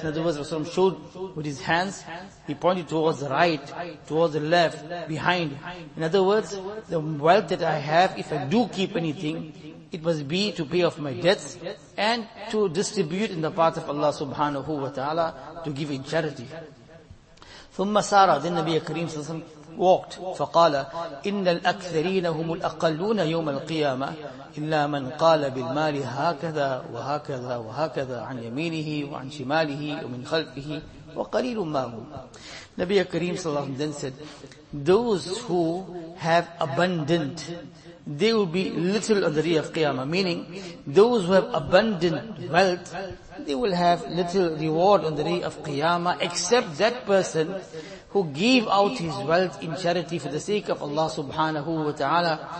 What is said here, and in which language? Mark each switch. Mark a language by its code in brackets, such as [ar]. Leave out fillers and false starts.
[en] In other words, Rasulullah showed with his hands, he pointed towards the right, towards the left, behind. In other words, the wealth that I have, if I do keep anything, it must be to pay off my debts and to distribute in the path of Allah subhanahu wa ta'ala, to give in charity. [ar] ثم سارا, [en] then Nabi Kareem sallallahu alayhi wa sallam walked. [ar] فقال إن الأكثرين هم الأقلون يوم القيامة إلا من قال بالمال هكذا وهكذا وهكذا عن يمينه وعن شماله ومن خلفه وقليل ما هم. نبي كريم صلى الله عليه وسلم [en] then said, those who have abundant, they will be little on the day of Qiyamah. Meaning, those who have abundant wealth, they will have little reward on the day of Qiyamah, except that person who gave out his wealth in charity for the sake of Allah subhanahu wa ta'ala.